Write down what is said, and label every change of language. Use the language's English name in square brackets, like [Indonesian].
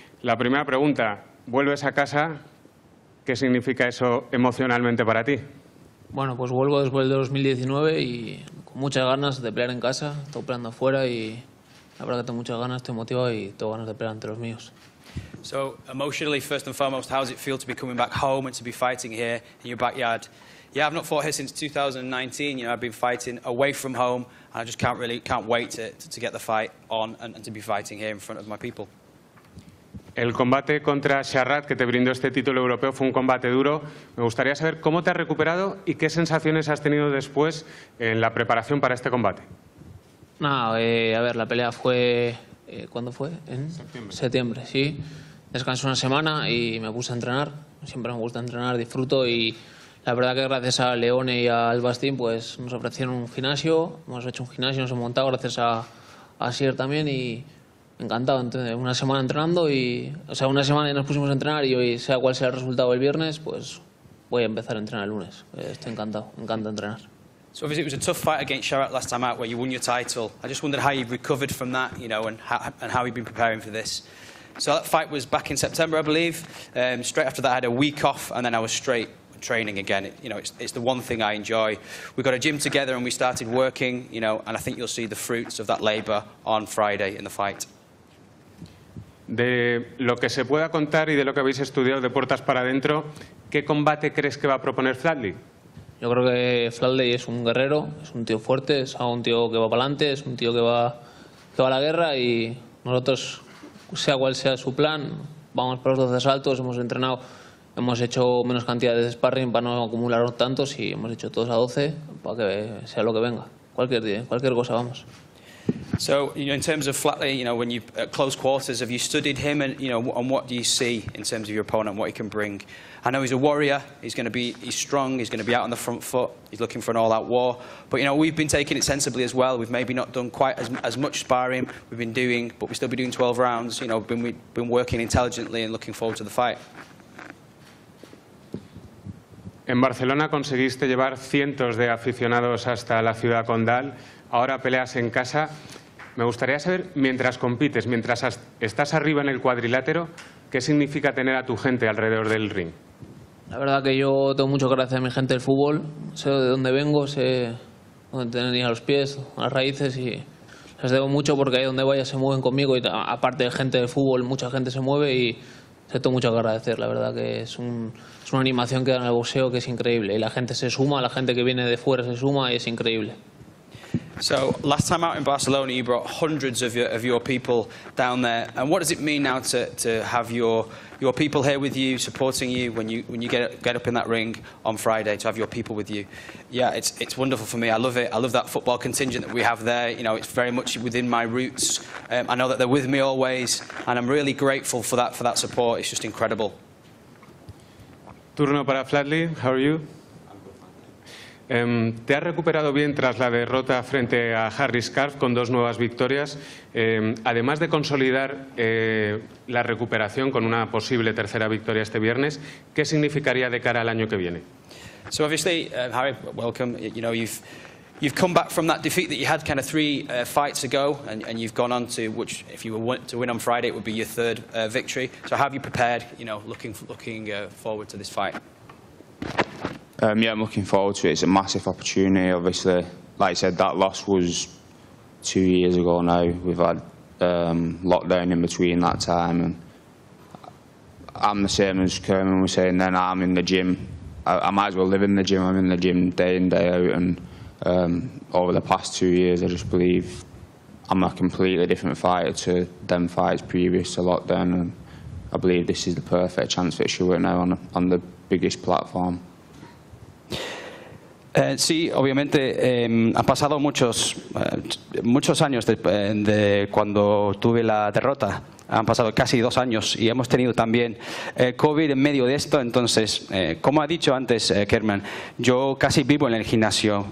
[Spanish] La primera pregunta, ¿vuelves a casa? ¿Qué significa eso emocionalmente para ti? Bueno, pues vuelvo después de 2019 y con muchas ganas de pelear en casa. Estoy peleando afuera y la verdad que tengo muchas ganas, estoy motivado y tengo ganas de pelear ante los míos. [English] So, emotionally, first and foremost, how does it feel to be coming back home and to be fighting here in your backyard? Yeah, I've not fought here since 2019. You know, I've been fighting away from home, and I just can't wait to get the fight on and to be fighting here in front of my people. [Spanish] El combate contra Sharrat, que te brindó este título europeo, fue un combate duro. Me gustaría saber cómo te has recuperado y qué sensaciones has tenido después en la preparación para este combate. No, a ver, la pelea fue... ¿cuándo fue? En septiembre. Septiembre, sí. Descansé una semana y me puse a entrenar. Siempre me gusta entrenar, disfruto y la verdad que gracias a Leone y a Albastín pues nos ofrecieron un gimnasio, hemos hecho un gimnasio, nos hemos montado gracias a Sier también y encantado. Entonces, una semana entrenando y, o sea, una semana y nos pusimos a entrenar y hoy, sea cual sea el resultado el viernes, pues voy a empezar a entrenar el lunes. Estoy encantado, me encanta entrenar. [English] So obviously it was a tough fight against Sharrat last time out where you won your title. I just wondered how you've recovered from that, you know, and how you've been preparing for this. So that fight was back in September, I believe. Straight after that, I had a week off and then I was straight training again. It's the one thing I enjoy. We got a gym together and we started working, you know, and I think you'll see the fruits of that labor on Friday in the fight. [Spanish] De lo que se pueda contar y de lo que habéis estudiado de puertas para adentro, ¿qué combate crees que va a proponer Flatley? Yo creo que Flatley es un guerrero, es un tío fuerte, es un tío que va para adelante, es un tío que va a la guerra y nosotros, sea cual sea su plan, vamos para los 12 asaltos, hemos entrenado, hemos hecho menos cantidad de sparring para no acumular tantos y hemos hecho todos a 12 para que sea lo que venga, cualquier día, cualquier cosa vamos. [English] So, you know, in terms of Flatley, you know, when you at close quarters, have you studied him and, you know, and what do you see in terms of your opponent, what he can bring? I know he's a warrior, he's strong, he's going to be out on the front foot, he's looking for an all-out war. But, you know, we've been taking it sensibly as well. We've maybe not done quite as much sparring we've been doing, but we've still been doing 12 rounds. You know, we've been working intelligently and looking forward to the fight. [Spanish] En Barcelona conseguiste llevar cientos de aficionados hasta la ciudad condal. Ahora peleas en casa. Me gustaría saber, mientras compites, mientras estás arriba en el cuadrilátero, ¿qué significa tener a tu gente alrededor del ring? La verdad que yo tengo mucho que agradecer a mi gente del fútbol. Sé de dónde vengo, sé dónde tenía los pies, las raíces y les debo mucho porque ahí donde vaya se mueven conmigo y aparte de gente del fútbol, mucha gente se mueve y sé todo mucho que agradecer. La verdad que es una animación que dan al boxeo que es increíble y la gente se suma, la gente que viene de fuera se suma y es increíble. [English] So, last time out in Barcelona, you brought hundreds of your people down there. And what does it mean now to have your people here with you, supporting you when you get up in that ring on Friday, to have your people with you? Yeah, it's wonderful for me. I love it. I love that football contingent that we have there. You know, it's very much within my roots. I know that they're with me always, and I'm really grateful for that support. It's just incredible. [Spanish] Turno para Flatley. [English] How are you? [Spanish] ¿Te has recuperado bien tras la derrota frente a Harry Scarf con dos nuevas victorias? Además de consolidar la recuperación con una posible tercera victoria este viernes, ¿qué significaría de cara al año que viene? [English] So obviously, Harry, welcome. You know, you've come back from that defeat that you had kind of three fights ago, and you've gone on to which, if you were to win on Friday, it would be your third victory. So how have you prepared? You know, looking forward to this fight. Yeah, I'm looking forward to it. It's a massive opportunity, obviously. Like I said, that loss was 2 years ago now. We've had lockdown in between that time. And I'm the same as Kerman was saying then. I'm in the gym. I might as well live in the gym. I'm in the gym day in, day out. And over the past 2 years, I just believe I'm a completely different fighter to them fights previous to lockdown. And I believe this is the perfect chance for sure now on the biggest platform. [Spanish] Sí, obviamente, han pasado muchos años de cuando tuve la derrota. Han pasado casi 2 años y hemos tenido también COVID en medio de esto. Entonces, como ha dicho antes Kerman, yo casi vivo en el gimnasio.